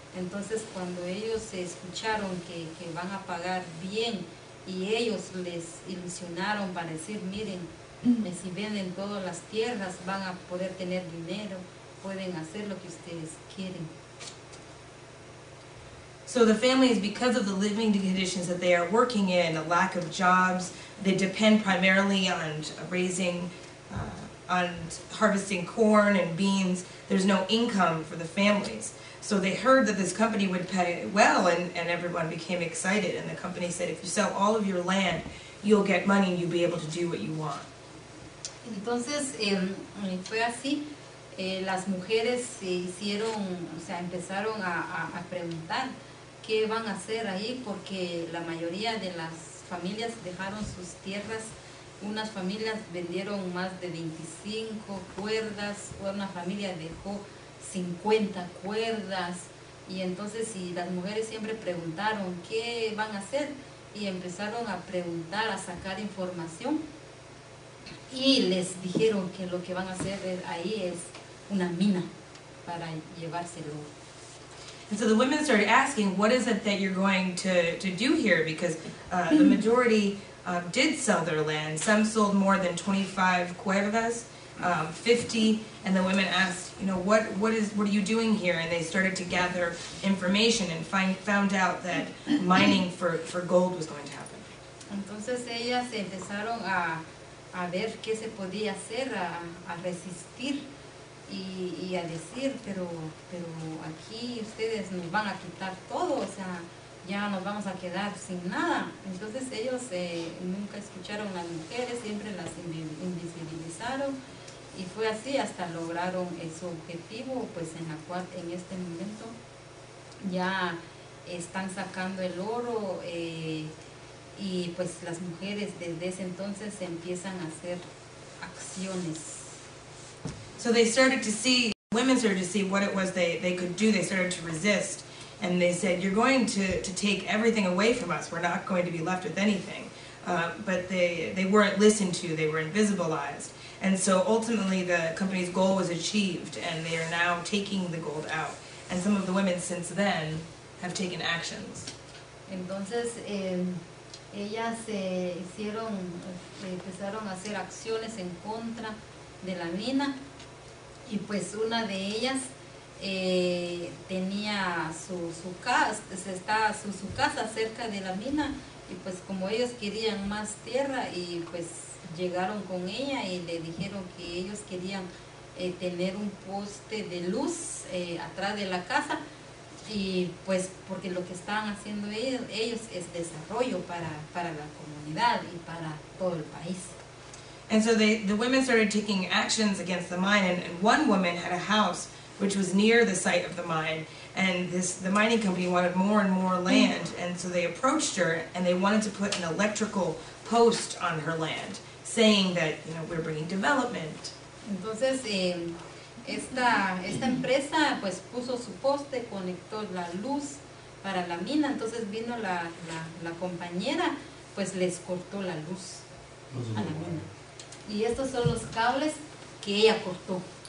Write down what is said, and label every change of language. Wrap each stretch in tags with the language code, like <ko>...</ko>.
<es>Entonces cuando ellos escucharon que van a pagar bien y ellos les ilusionaron para decir, miren, si venden todas las tierras van a poder tener dinero, pueden hacer lo que ustedes quieren.</es> <en>So the families, because of the living conditions that they are working in, a lack of jobs, they depend primarily on raising, on harvesting corn and beans. There's no income for the families. So they heard that this company would pay well, and everyone became excited. And the company said, if you sell all of your land, you'll get money and you'll be able to do what you want.</en> <es>Entonces, fue así. Las mujeres se hicieron, o sea, empezaron a preguntar. ¿Qué van a hacer ahí? Porque la mayoría de las familias dejaron sus tierras. Unas familias vendieron más de 25 cuerdas, una familia dejó 50 cuerdas. Y entonces, y las mujeres siempre preguntaron, ¿qué van a hacer? Y empezaron a preguntar, a sacar información. Y les dijeron que lo que van a hacer ahí es una mina para llevárselo.</es> <en>And so the women started asking, what is it that you're going to do here? Because the majority did sell their land. Some sold more than 25 cuerdas, 50. And the women asked, you know, what are you doing here? And they started to gather information and found out that mining for gold was going to happen.</en> <es>Entonces ellas empezaron a ver qué se podía hacer, a resistir. Y a decir, pero aquí ustedes nos van a quitar todo, o sea, ya nos vamos a quedar sin nada. Entonces ellos nunca escucharon a las mujeres, siempre las invisibilizaron, y fue así hasta lograron su objetivo, pues en la cual en este momento ya están sacando el oro, y pues las mujeres desde ese entonces empiezan a hacer acciones.</es> <en>So they started to see, women started to see what it was they could do. They started to resist. And they said, you're going to take everything away from us. We're not going to be left with anything. But they weren't listened to. They were invisibilized. And so ultimately the company's goal was achieved. And they are now taking the gold out. And some of the women since then have taken actions.</en> <es>Entonces, ellas empezaron a hacer acciones en contra de la mina. Y pues una de ellas tenía su casa, se está su casa cerca de la mina, y pues como ellos querían más tierra, y pues llegaron con ella y le dijeron que ellos querían tener un poste de luz atrás de la casa, y pues porque lo que estaban haciendo ellos es desarrollo para la comunidad y para todo el país.</es> <en>And so the women started taking actions against the mine, and one woman had a house which was near the site of the mine, and the mining company wanted more and more land, and so they approached her and they wanted to put an electrical post on her land, saying that, you know, we're bringing development.</en> <es>Entonces, esta empresa pues puso su poste, conectó la luz para la mina, entonces vino la compañera, pues les cortó la luz a la mina. Y estos son los cables que ella cortó.</es>